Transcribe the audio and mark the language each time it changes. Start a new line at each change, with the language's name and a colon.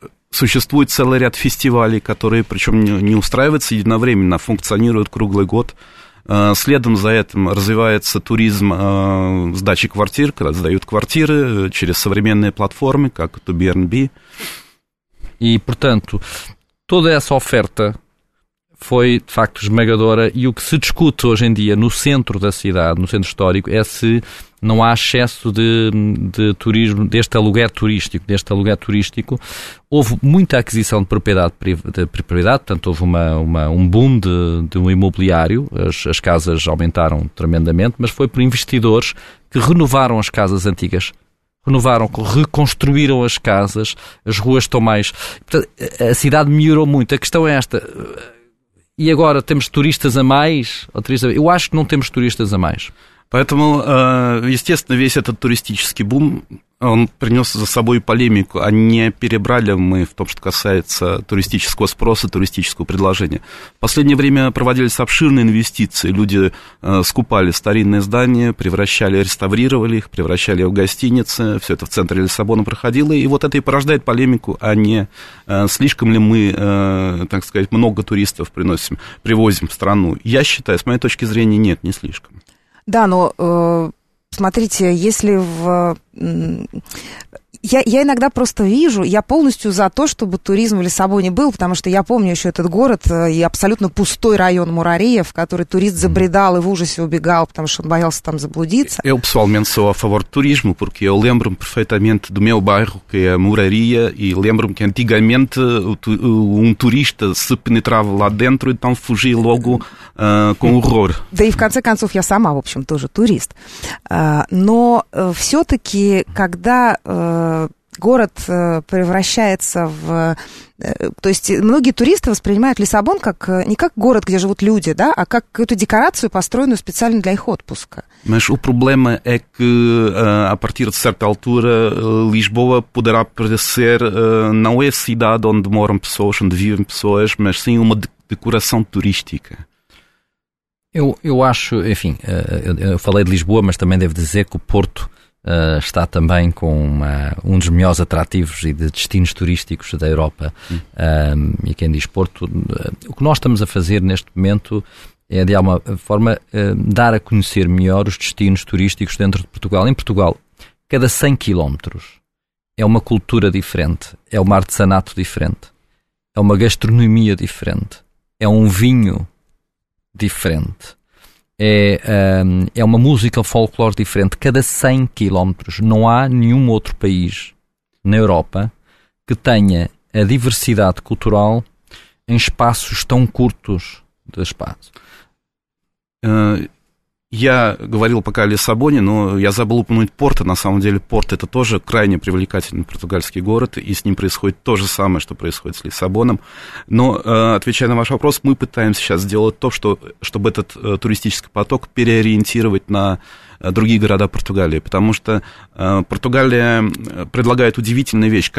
Russian: Существует целый ряд фестивалей, которые, причем, не устраиваются единовременно, а функционируют круглый год. Следом за этим развивается туризм сдачи квартир, когда сдают квартиры через современные платформы, как Airbnb.
Portuguese: И, portanto, toda essa oferta foi, de facto, esmagadora e o que se discute hoje em dia no centro da cidade, no centro histórico, é se não há excesso de turismo, deste aluguer turístico. Deste aluguer turístico, houve muita aquisição de propriedade, portanto, houve um boom de um imobiliário, as casas aumentaram tremendamente, mas foi por investidores que renovaram as casas antigas. Renovaram, reconstruíram as casas, as ruas estão mais... Portanto, a cidade melhorou muito. A questão é esta. E agora temos turistas a mais? Eu acho que não temos turistas a mais.
Russian: Поэтому, естественно, весь этот туристический бум, он принес за собой полемику, а не перебрали мы в том, что касается туристического спроса, туристического предложения. В последнее время проводились обширные инвестиции, люди скупали старинные здания, превращали, реставрировали их, превращали в гостиницы, все это в центре Лиссабона проходило, и вот это и порождает полемику, а не слишком ли мы, так сказать, много туристов привозим в страну. Я считаю, с моей точки зрения, нет, не слишком. Да, но смотрите, если в... Я иногда просто вижу, я полностью за то, чтобы туризм в Лиссабоне был, потому что я помню еще этот город и абсолютно пустой район Мурария, в который турист забредал и в ужасе убегал, потому что он боялся там заблудиться.
Portuguese: Eu pessoalmente sou a favor do turismo, porque eu lembro-me perfeitamente do meu bairro, que é Muraria, e lembro-me que antigamente turista se penetrava lá dentro, então fugi logo com horror.
Russian: Да и в конце концов я сама, в общем, тоже турист. Но все-таки, когда... город превращается в... То есть многие туристы воспринимают Лиссабон как не как город, где живут люди, да, а как какую-то декорацию, построенную специально для их отпуска.
Portuguese: Mas o problema é que, a partir de certa altura, Lisboa poderá parecer não é cidade onde moram pessoas, onde vivem pessoas, mas sim uma decoração turística. Eu acho, enfim, eu falei de Lisboa, mas também devo dizer que o Porto está também com um dos melhores atrativos e de destinos turísticos da Europa. E quem diz Porto, o que nós estamos a fazer neste momento é, de alguma forma, dar a conhecer melhor os destinos turísticos dentro de Portugal. Em Portugal, cada 100 quilómetros é uma cultura diferente, é um artesanato diferente, é uma gastronomia diferente, é um vinho diferente. É uma música folclore diferente. Cada 100 quilómetros não há nenhum outro país na Europa que tenha a diversidade cultural em espaços tão curtos de espaço.
Russian: Я говорил пока о Лиссабоне, но я забыл упомянуть Порто. На самом деле Порто – это тоже крайне привлекательный португальский город, и с ним происходит то же самое, что происходит с Лиссабоном. Но, отвечая на ваш вопрос, мы пытаемся сейчас сделать то, чтобы этот туристический поток переориентировать на другие города Португалии, потому что Португалия предлагает удивительную вещь.